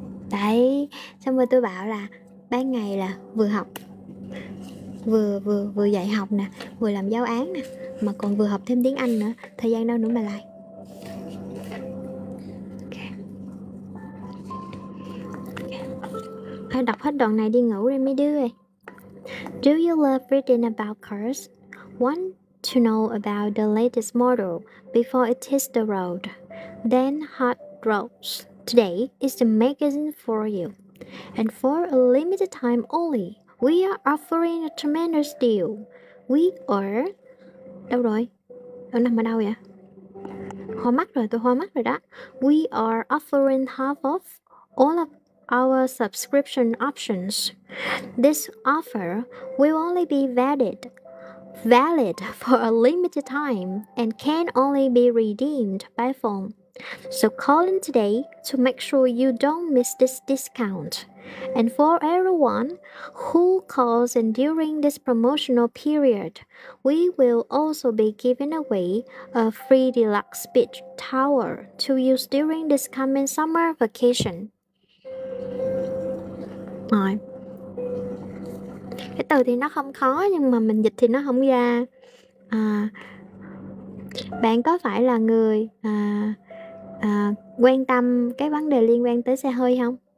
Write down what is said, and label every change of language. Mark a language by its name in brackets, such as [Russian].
[Vietnamese] Đấy. Xong rồi tôi bảo là ban ngày là vừa học, vừa dạy học nè, vừa làm giáo án nè, mà còn vừa học thêm tiếng Anh nữa, thời gian đâu nữa mà lại. Okay. Đọc hết đoạn này đi ngủ đi mấy đứa ơi. [English] Do you love reading about cars? Want to know about the latest model before it hits the road? Then Hot Rods today is the magazine for you. And for a limited time only, we are offering a tremendous deal. We are... [Vietnamese] Đâu rồi? Đâu nằm ở đâu vậy? Hoa mắt rồi, tôi hoa mắt rồi đó. [English] We are offering half off all of our subscription options. This offer will only be valid for a limited time and can only be redeemed by phone. So call in today to make sure you don't miss this discount. And for everyone who calls in during this promotional period, we will also be giving away a free deluxe beach tower to use during this coming summer vacation. [Vietnamese] Rồi. Cái từ thì nó không khó nhưng mà mình dịch thì nó không ra. Bạn có phải là người quan tâm cái vấn đề liên quan tới xe hơi không?